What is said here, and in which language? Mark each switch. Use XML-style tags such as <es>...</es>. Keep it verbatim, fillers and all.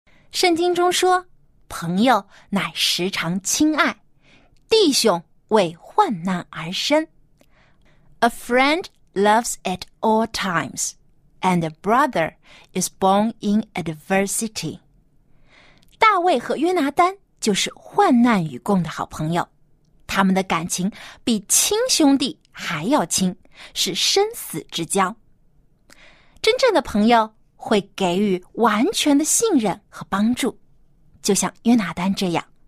<zh>圣经中说，朋友乃时常亲爱，弟兄为患难而生。</zh> <en>A friend loves at all times, and a brother is born in adversity.</en> <zh>大卫和约拿单就是患难与共的好朋友，他们的感情比亲兄弟还要亲，是生死之交。真正的朋友会给予完全的信任和帮助，就像约拿单这样。</zh>